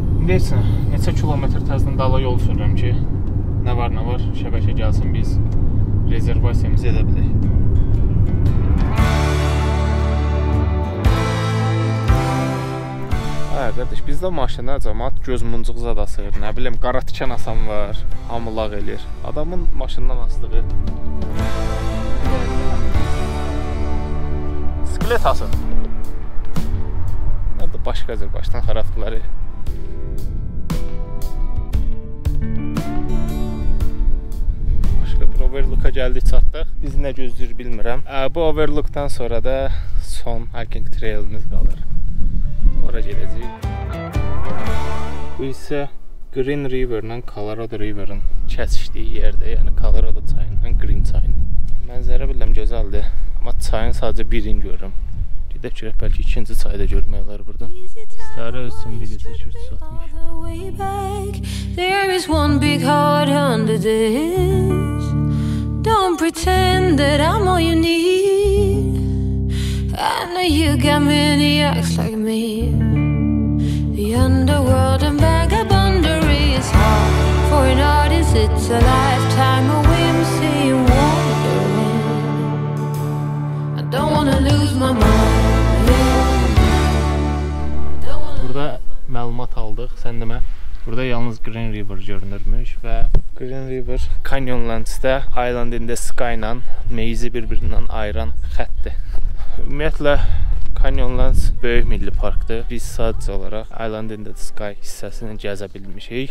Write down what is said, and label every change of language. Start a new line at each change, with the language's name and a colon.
Azerbaijani: Neçə, neçə kilometr təzdən dala yol sürürəm ki, nə var nə var, şəbəkə gəlsin biz rezervasiyamızı edə bilək. Hə, qardaş, bizdə maşına cəmat göz muncuq zadasıdır. Nə bilim, qara tikan asan var, hamılaq eləyir. Adamın maşından asdığı skelet asır. Nədə başqa Azərbaycan xarakterləri. Başqa bir overlook-a gəldik, çatdıq. Biz nə gözləyir bilmirəm. Bu overlook-dan sonra da son hiking trail-imiz qalır. Ora gedəcəyik. Bu isə Green River ilə Colorado River-ın kəsişdiyi yerdə, yəni Colorado çayının, Green çayın. Mənzərə biləm gözəldir, amma çayın sadəcə birini görürəm. Gedək görək, bəlkə ikinci çayı da görmək olar burada. Sarı ölçüm bilir, təşvür çıxatmış.
English: Don't pretend that I'm all you need. I know you got many acts like me. The underworld and vagabondery is hard for an artist, it's a lifetime of whimsy and wandering. I don't wanna lose my mind.
Azerbaijani: Burada məlumat aldıq, sən demə. Burada yalnız Green River görünürmüş və Green River Canyonlands-də Island in the Sky ilə meyzi bir-birindən ayıran xəttdir. Ümumiyyətlə Canyonlands böyük milli parkdır. Biz sadəcə olaraq Island in the Sky hissəsini gəzə bilmişik.